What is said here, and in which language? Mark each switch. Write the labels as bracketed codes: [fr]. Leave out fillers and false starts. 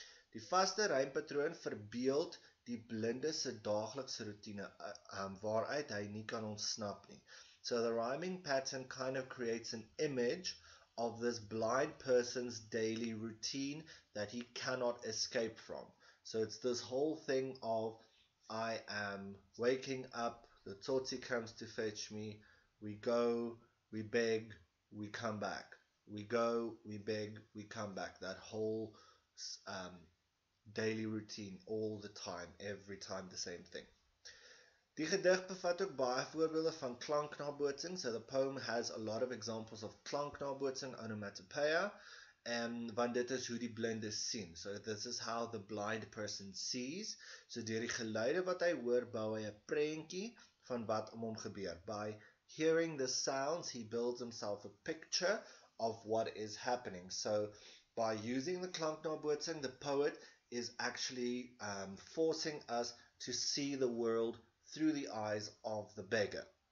[af] Die vaste rympatroon verbeeld die blinde se daaglikse routine, waaruit hy nie kan ontsnap nie. [en] So the rhyming pattern kind of creates an image of this blind person's daily routine that he cannot escape from. So it's this whole thing of, I am waking up, the tsotsi comes to fetch me, we go, we beg, we come back. We go, we beg, we come back. That whole daily routine, all the time, every time the same thing. [af] Die gedig bevat ook baie voorbeelde van klanknabootsing. [en] So the poem has a lot of examples of klanknabootsing, onomatopoeia. [af] En want dit is hoe die blinde sien. [en] So this is how the blind person sees. [af] So deur die geluide wat hy hoor, bou hy 'n prentjie van wat om hom gebeur. [en] By hearing the sounds, he builds himself a picture of what is happening. So by using the klanknabootsing, the poet is actually forcing us to see the world through the eyes of the beggar.